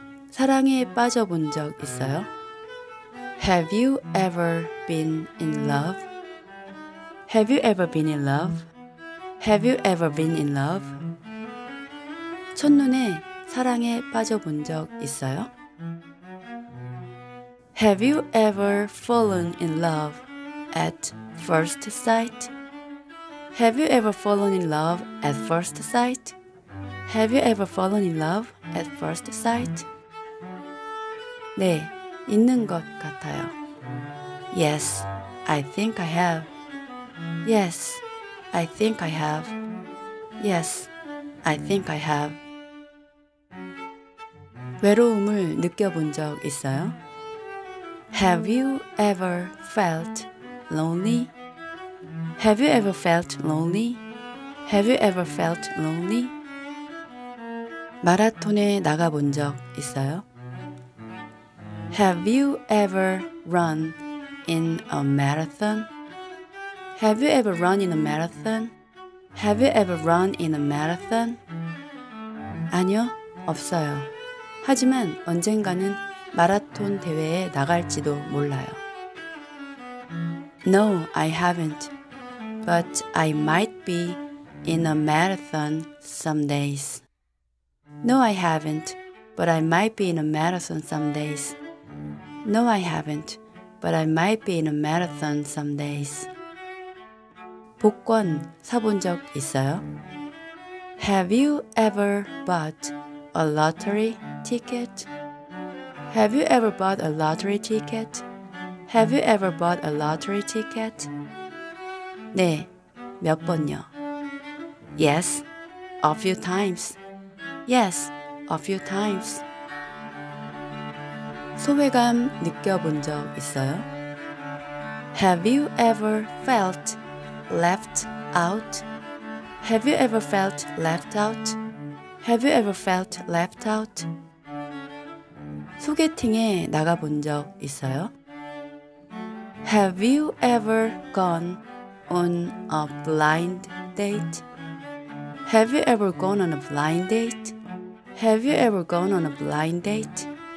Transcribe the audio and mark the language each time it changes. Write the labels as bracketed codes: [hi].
[ko] 사랑에 빠져본 적 있어요? [en] Have you ever been in love? Have you ever been in love? Have you ever been in love? [ko] 첫눈에 사랑에 빠져본 적 있어요? [en] Have you ever fallen in love at first sight? Have you ever fallen in love at first sight? Have you ever fallen in love at first sight? [ko] 네, 있는 것 같아요. [en] Yes, I think I have. Yes, I think I have. Yes, I think I have. [ko] 외로움을 느껴본 적 있어요? [en] Have you ever felt lonely? Have you ever felt lonely? Have you ever felt lonely? [ko] 마라톤에 나가본 적 있어요? [en] Have you ever run in a marathon? Have you ever run in a marathon? Have you ever run in a marathon? [ko] 아니요, 없어요. 하지만 언젠가는 마라톤 대회에 나갈지도 몰라요. [en] No, I haven't. But I might be in a marathon some days. No, I haven't. But I might be in a marathon some days. No, I haven't. But I might be in a marathon some days. [ko] 복권 사본 적 있어요? [en] Have you ever bought a lottery ticket? Have you ever bought a lottery ticket? Have you ever bought a lottery ticket? [ko] 네, 몇 번요? [en] Yes, a few times. Yes, a few times. [ko] 소외감 느껴본 적 있어요? [en] Have you ever felt left out? Have you ever felt left out? Have you ever felt left out? [ko] 소개팅에 나가본 적 있어요? [en] Have you ever gone on a blind date? Have you ever gone on a blind date? Have you ever gone on a blind date?